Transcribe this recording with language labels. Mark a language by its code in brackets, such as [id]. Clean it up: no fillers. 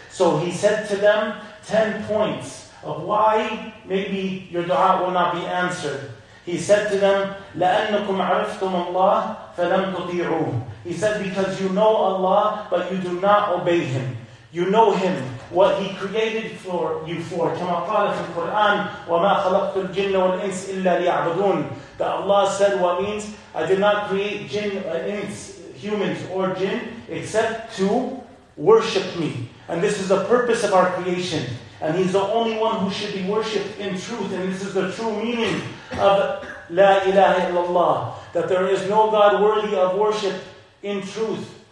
[en] So He said to them 10 points of why maybe your dua will not be answered. He said to them, [ar] لَأَنَّكُمْ عَرِفْتُمُ اللَّهِ فَلَمْ تُطِيعُوا [en] He said, because you know Allah, but you do not obey Him. You know Him, what He created for you for. [ar] كَمَا قَالَ فِي الْقُرْآنِ وَمَا خَلَقْتُ الْجِنَّ وَالْإِنْسِ إِلَّا لِيَعْبُدُونَ [en] That Allah said, what means? I did not create humans or jinn, except to worship me. And this is the purpose of our creation. And He's the only one who should be worshipped in truth. And this is the true meaning of La ilaha illallah. That there is no God worthy of worship in truth.